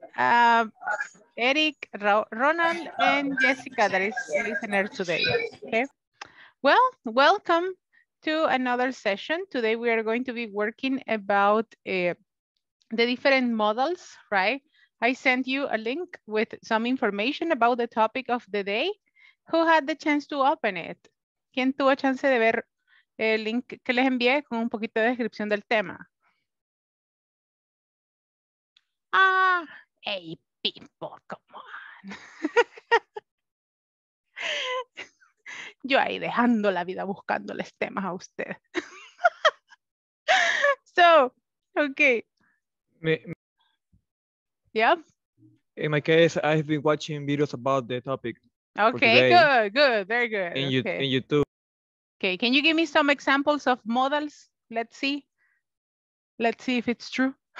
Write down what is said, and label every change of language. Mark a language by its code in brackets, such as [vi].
[en] Eric, Ronald, and Jessica, that is listener today. Okay. Well, welcome to another session. Today we are going to be working about the different models, right? I sent you a link with some information about the topic of the day. Who had the chance to open it? [es] ¿Quién tuvo chance de ver el link que les envié con un poquito de descripción del tema? [en] Ah, hey people, come on. [es] Yo ahí dejando la vida buscándoles temas a usted. [en] So, okay. In my case, I've been watching videos about the topic. Okay, for today good, good, very good. In, okay. in YouTube. Okay, can you give me some examples of models? Let's see. Let's see if it's true.